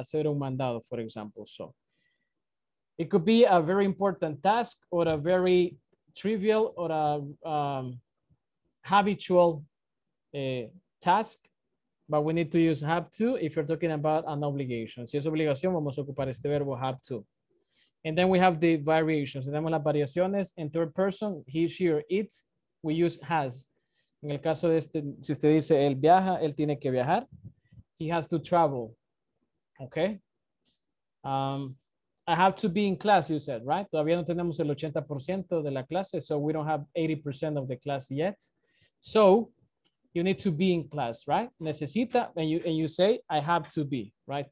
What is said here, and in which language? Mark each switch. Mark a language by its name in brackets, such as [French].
[Spanish] Hacer un mandado, [English] for example. So it could be a very important task or a very trivial or a habitual task but we need to use have to if you're talking about an obligation. [Spanish] Si es obligación, vamos a ocupar este verbo have to. [English] And then we have the variations. [Spanish] Tenemos las variaciones. [English] In third person, he, she, or it, we use has. [Spanish] En el caso de este, si usted dice él viaja, él tiene que viajar. [English] He has to travel. Okay. I have to be in class, you said, right? [Spanish] Todavía no tenemos el 80% de la clase, [English] so we don't have 80% of the class yet. So you need to be in class, right? Necesita, and you say, I have to be, right?